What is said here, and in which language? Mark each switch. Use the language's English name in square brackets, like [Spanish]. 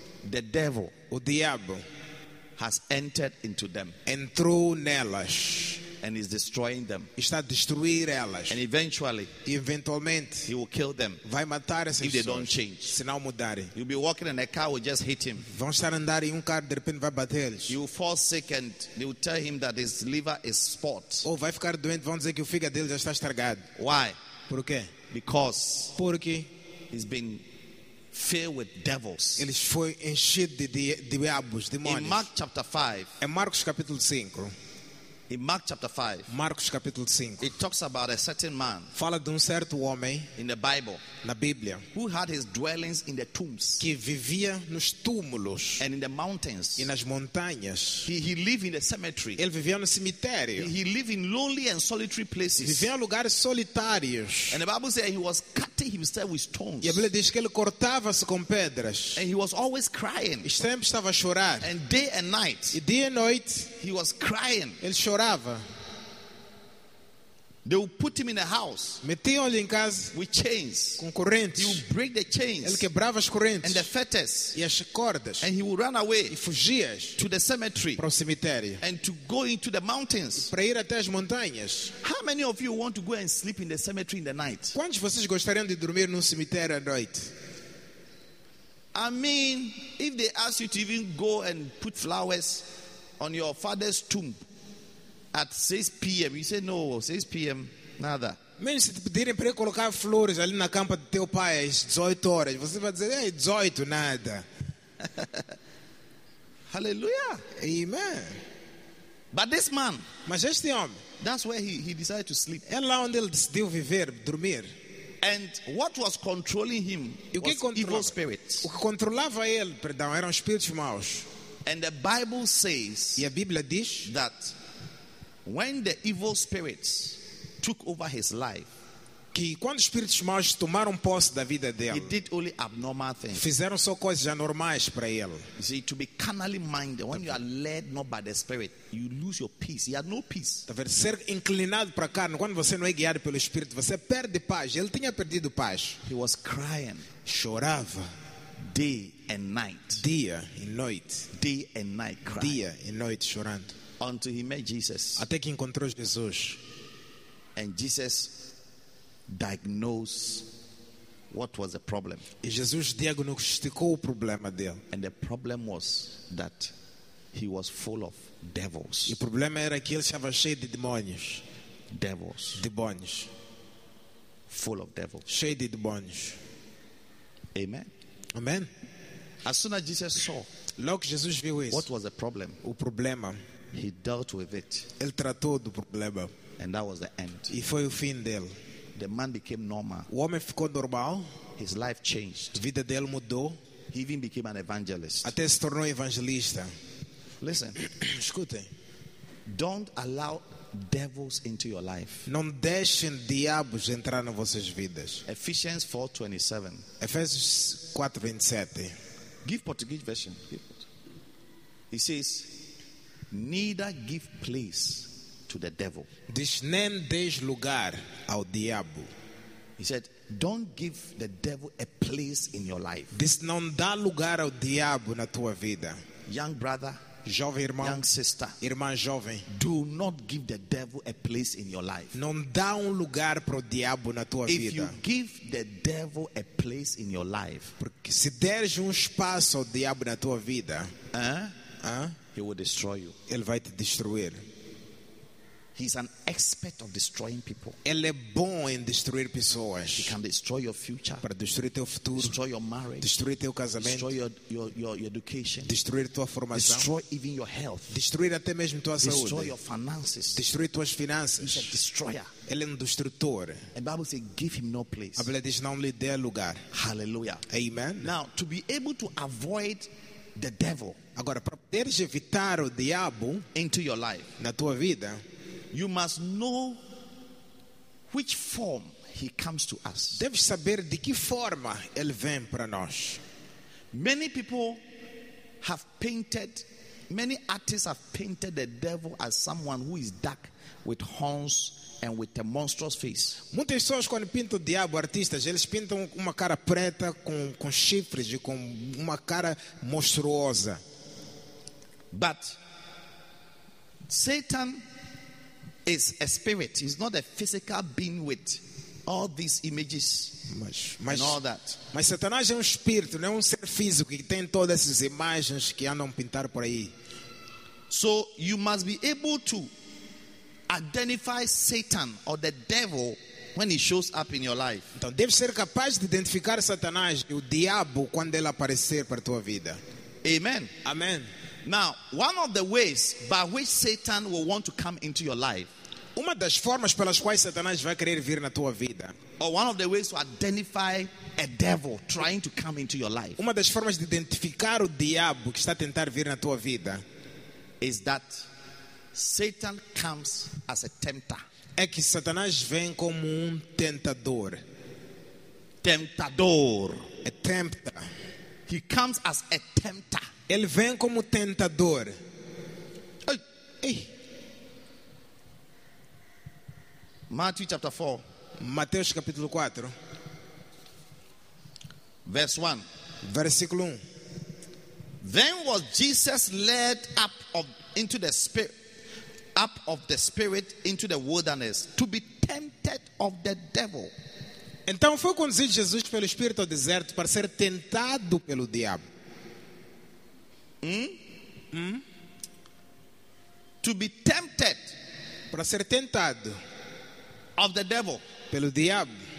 [English] The devil, [Portuguese] o diabo, [English] has entered into them. [Portuguese] Entrou nelas. [English] And is destroying them. [Portuguese] Está a destruir elas. [English] And eventually, [Portuguese] eventualmente, [English] he will kill them. [Portuguese] Vai matar essas [English] if they don't change. [Portuguese] Se não mudarem. [English] You'll be walking and a car will just hit him. [Portuguese] Vão estar a andar em carro de repente vai bater-lhes. [English] You will fall sick and they will tell him that his liver is spot. [Portuguese] Ou vai ficar doente, vão dizer que o fígado dele já está estragado. [English] Why? [Portuguese] Por quê? [English] Because. [Portuguese] Porque [English] he's been filled with devils. [Portuguese] Ele foi enchido de diabos, demônios. [English] In Mark chapter 5. [Portuguese] Em Marcos capítulo 5. [English] In Mark chapter 5. [Portuguese] Marcos capítulo 5. [English] It talks about a certain man. [Portuguese] Fala de certo homem. [English] In the Bible. [Portuguese] Na Bíblia. [English] Who had his dwellings in the tombs. [Portuguese] Que vivia nos túmulos. [English] And in the mountains. [Portuguese] E nas montanhas. [English] He lived in the cemetery. [Portuguese] Ele vivia no cemitério. [English] He lived in lonely and solitary places. [Portuguese] Vivia em lugares solitários. [English] And the Bible says he was cutting himself with stones. [Portuguese] E a Bíblia diz que ele cortava-se com pedras. [English] And he was always crying. [Portuguese] E sempre estava a chorar. [English] And day and night. [Portuguese] E dia e noite. [English] He was crying. [Portuguese] Ele chorava. [English] They will put him in a house. [Portuguese] Metiam-lhe em casa [English] with chains. [Portuguese] Com correntes. [English] He will break the chains. [Portuguese] Ele quebrava as correntes. [English] And the fetters. [Portuguese] E as cordas. [English] And he will run away. [Portuguese] E fugias. [English] To the cemetery. [Portuguese] Para o cemitério. [English] And to go into the mountains. [Portuguese] E para ir até as montanhas. [English] How many of you want to go and sleep in the cemetery in the night? [Portuguese] Quantos de vocês gostariam de dormir num cemitério à noite? [English] I mean, if they ask you to even go and put flowers on your father's tomb. At 6 p.m. You say no, 6 p.m. nada. [Portuguese] Mesmo se te pedirem para colocar flores ali na campa do teu pai às 18 horas, você vai dizer, 18, nada. [English] Hallelujah. Amen. But this man, [Portuguese] mas este homem, [English] that's where he decided to sleep. [Portuguese] É lá onde ele decidiu viver, dormir. [English] And what was controlling him was evil spirits. [Portuguese] O que controlava ele, perdão, eram espíritos maus. [English] And the Bible says, [Portuguese] e a Bíblia diz, [English] that when the evil spirits took over his life, [Portuguese] que quando espíritos maus tomaram posse da vida dele, [English] he did only abnormal things. [Portuguese] Fizeram só coisas anormais para ele. [English] You see, to be carnally minded, when you are led not by the spirit, you lose your peace. You have no peace. [Portuguese] Tá vendo? Ser inclinado para a carne, quando você não é guiado pelo espírito, você perde paz. Ele tinha perdido paz. [English] He was crying. [Portuguese] Chorava. [English] Day and night. [Portuguese] Dia e noite. [English] Day and night crying. [Portuguese] Dia e noite chorando. [English] Until he met Jesus. [Portuguese] Até que encontrou Jesus. [English] And Jesus diagnosed what was the problem. [Portuguese] E Jesus diagnosticou o problema dele. [English] And the problem was that he was full of devils. [Portuguese] E o problema era que ele estava cheio de demônios. [English] Devils. [Portuguese] Demônios. [English] Full of devils. [Portuguese] Cheio de demônios. [English] Amen. [Portuguese] Amen. [English] As soon as Jesus saw, [Portuguese] logo Jesus viu isso. [English] What was the problem? [Portuguese] O problema. [English] He dealt with it. [Portuguese] Ele tratou do problema. [English] And that was the end. [Portuguese] E foi o fim dele. [English] The man became normal. [Portuguese] O homem ficou normal. [English] His life changed. [Portuguese] A vida dele mudou. [English] He even became an evangelist. [Portuguese] Até se tornou evangelista. [English] Listen. [Portuguese] Escutem. [English] Don't allow devils into your life. [Portuguese] Não deixem diabos entrar nas vossas vidas. [English] Ephesians 4:27. [Portuguese] Efésios 4:27. [English] Give Portuguese version. He says, neither give place to the devil. [Portuguese] Diz, nem deis lugar ao diabo. [English] He said, don't give the devil a place in your life. [Portuguese] Diz, não dá lugar ao diabo na tua vida. [English] Young brother, [Portuguese] jovem irmão, [English] young sister, [Portuguese] irmã jovem, [English] do not give the devil a place in your life. [Portuguese] Não dá lugar para o diabo na tua vida. [English] If you give the devil a place in your life, [Portuguese] porque se deres espaço ao diabo na tua vida, [English] He will destroy you. [Portuguese] Ele vai te destruir. [English] He's an expert of destroying people. [Portuguese] Ele é bom em destruir pessoas. [English] He can destroy your future. [Portuguese] Para destruir teu futuro. [English] Destroy your marriage. [Portuguese] Destruir teu casamento. [English] Destroy your education. [Portuguese] Destruir tua formação. [English] Destroy even your health. [Portuguese] Destruir até mesmo tua [English] destroy [Portuguese] saúde. [English] Destroy your finances. [Portuguese] Destruir tuas finanças. [English] He's a destroyer. [Portuguese] Ele é um destrutor. [English] The Bible says, "Give him no place." [Portuguese] A Bíblia diz, não lhe dê lugar. [English] Hallelujah. [Portuguese] Amen. [English] Now, to be able to avoid the devil. [Portuguese] Agora, para poderes evitar o diabo [English] into your life, [Portuguese] na tua vida, [English] you must know which form he comes to us. [Portuguese] Deve saber de que forma ele vem para nós. [English] Many people have painted, many artists have painted the devil as someone who is dark with horns and with a monstrous face. [Portuguese] Muitas pessoas quando pintam o diabo, artistas, eles pintam uma cara preta com chifres e com uma cara monstruosa. [English] But Satan is a spirit. He's not a physical being with all these images and all that. [Portuguese] Mas Satanás é espírito, não é ser físico que tem todas essas imagens que andam pintar por aí. [English] So you must be able to identify Satan or the devil when he shows up in your life. [Portuguese] Então deve ser capaz de identificar Satanás e o diabo quando ele aparecer para tua vida. [English] Amen. [Portuguese] Amen. [English] Now, one of the ways by which Satan will want to come into your life, [Portuguese] uma das formas pelas quais Satanás vai querer vir na tua vida, [English] or one of the ways to identify a devil trying to come into your life, [Portuguese] uma das formas de identificar o diabo que está a tentar vir na tua vida, [English] is that Satan comes as a tempter. [Portuguese] É que Satanás vem como tentador. Tentador. [English] A tempter. He comes as a tempter. [Portuguese] Ele vem como tentador. Ei. [English] Matthew chapter 4. [Portuguese] Mateus capítulo 4. [English] Verse 1. [Portuguese] Versículo 1. [English] Then was Jesus led up of into the spirit up of the spirit into the wilderness to be tempted of the devil. [Portuguese] Então foi conduzido Jesus pelo espírito ao deserto para ser tentado pelo diabo. [English] To be tempted, [Portuguese] para ser tentado, [English] of the devil, [Portuguese] pelo diabo.